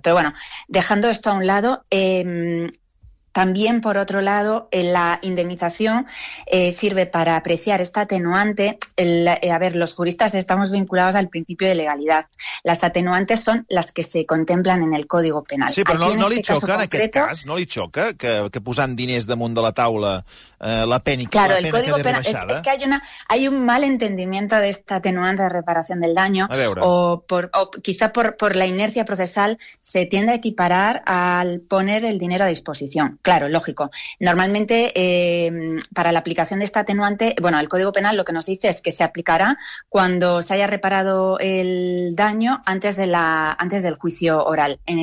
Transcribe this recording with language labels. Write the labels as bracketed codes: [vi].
[es] Pero bueno, dejando esto a un lado, también, por otro lado, la indemnización sirve para apreciar esta atenuante. Los juristas estamos vinculados al principio de legalidad. Las atenuantes son las que se contemplan en el Código Penal. [ca] Sí, però no li xoca en aquest cas, no li xoca que posant diners damunt de la taula la pena que té rebaixada? [es] Claro, el Código Penal, es que hay un mal entendimiento de esta atenuante de reparación del daño. [ca] A veure. [es] O quizá por la inercia procesal se tiende a equiparar al poner el dinero a disposición. Claro, lógico. Normalmente, para la aplicación de esta atenuante, bueno, el Código Penal lo que nos dice es que se aplicará cuando se haya reparado el daño antes del juicio oral.